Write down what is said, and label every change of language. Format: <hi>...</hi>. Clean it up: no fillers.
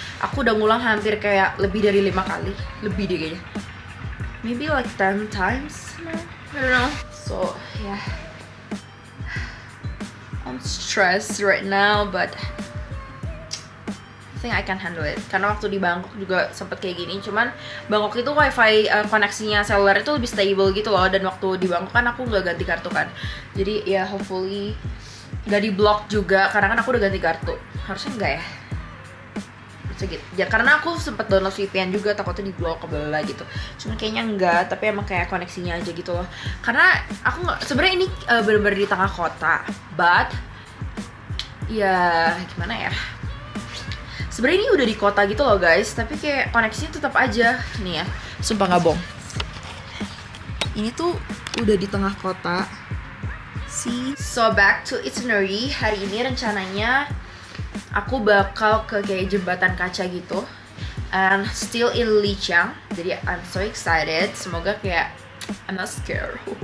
<id>Aku udah ngulang hampir kayak lebih dari 5 kali, lebih deh kayaknya.</id> <en>Maybe like 10 times, I don't know. So, yeah, I'm stressed right now, but I think I can handle it.</en> <id>Karena waktu di Bangkok juga sempet kayak gini. Cuman Bangkok itu wifi koneksinya seluler itu lebih stable gitu loh. Dan waktu di Bangkok kan aku gak ganti kartu kan. Jadi ya hopefully gak di block juga. Karena kan aku udah ganti kartu. Harusnya enggak ya. Ya, karena aku sempet download VPN juga, takutnya di blok kebelah gitu. Cuma kayaknya enggak, tapi emang kayak koneksinya aja gitu loh. Karena aku sebenarnya ini bener-bener di tengah kota. But ya gimana ya, sebenarnya ini udah di kota gitu loh guys, tapi kayak koneksinya tetap aja. Nih ya, sumpah gak bohong, ini tuh udah di tengah kota. See?</id> <en>So back to itinerary.</en> <id>Hari ini rencananya aku bakal ke kayak jembatan kaca gitu.</id> <en>And still in Lijiang. Jadi I'm so excited.</en> <id>Semoga kayak</id> <en>I'm not scared.</en>